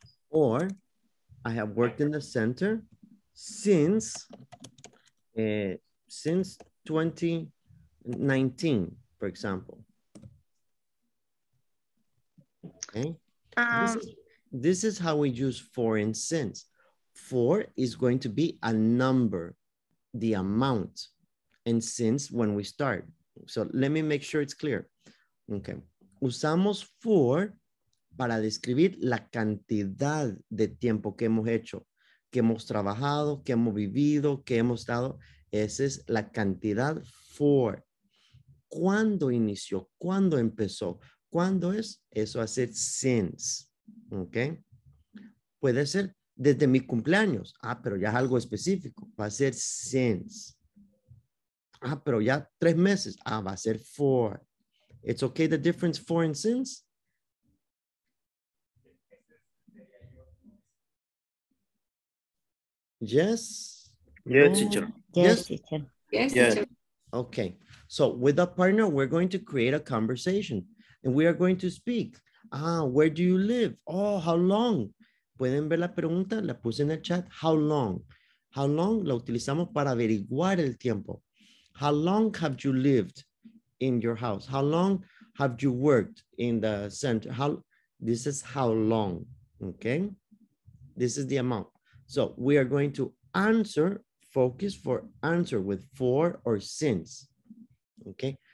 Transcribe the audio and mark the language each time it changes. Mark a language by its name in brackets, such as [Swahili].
[English] Or I have worked in the center since 2019, for example. Okay. This is how we use for and since. Four is going to be a number, the amount, and since when we start. So let me make sure it's clear. Okay. [Spanish] Usamos four para describir la cantidad de tiempo que hemos hecho, que hemos trabajado, que hemos vivido, que hemos dado. Esa es la cantidad four. ¿Cuándo inició? ¿Cuándo empezó? ¿Cuándo es? Eso hace since. Okay. Puede ser desde mi cumpleaños. Ah, pero ya es algo específico. Va a ser since. Ah, pero ya 3 meses. Ah, va a ser for. [English] It's okay, the difference for and since? Yes? Yes, teacher. Yes, teacher. Yes, teacher. Okay, so with a partner, we're going to create a conversation and we are going to speak. Where do you live? Oh, how long? [Spanish] Pueden ver la pregunta, la puse en el chat. [English] How long? How long? [Spanish] La utilizamos para averiguar el tiempo. [English] How long have you lived in your house? How long have you worked in the center? How? This is how long, okay? This is the amount. So we are going to answer, focus for answer with for or since, okay?